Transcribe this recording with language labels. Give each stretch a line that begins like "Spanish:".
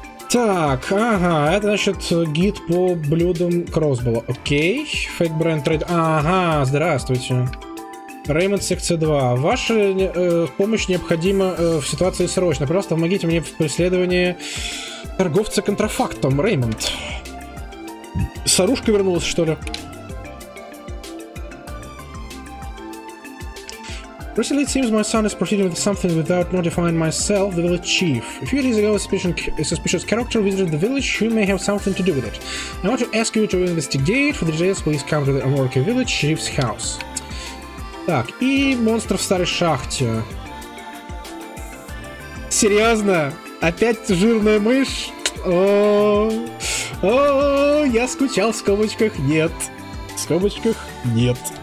Russian: Так, ага, это значит гид по блюдам Кроссбола, окей, Fake Brand Trade, ага, здравствуйте. Raymond секция 2. Ваша помощь необходима в ситуации срочно. Пожалуйста, помогите мне в преследовании торговца контрафактом, Raymond. Сарушка вернулась, что ли?
English: Recently it seems my son is proceeding with something without notifying myself, the village chief. A few days ago a suspicious character visited the village who may have something to do with it. I want to ask you to investigate, for the details please come to the Amorki village chief's house.
Russian: Так, и монстр в старой шахте. Серьезно? Опять жирная мышь? О-о-о, я скучал в скобочках. Нет. В скобочках нет.